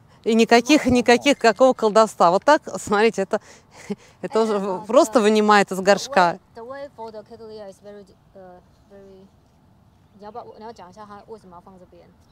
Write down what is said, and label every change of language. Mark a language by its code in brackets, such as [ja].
[ru] И никаких какого колдовства. Вот так, смотрите, это уже просто вынимает из горшка. [en] The way for the cattleya is very, very... [zh] 你要讲一下它为什么要放这边?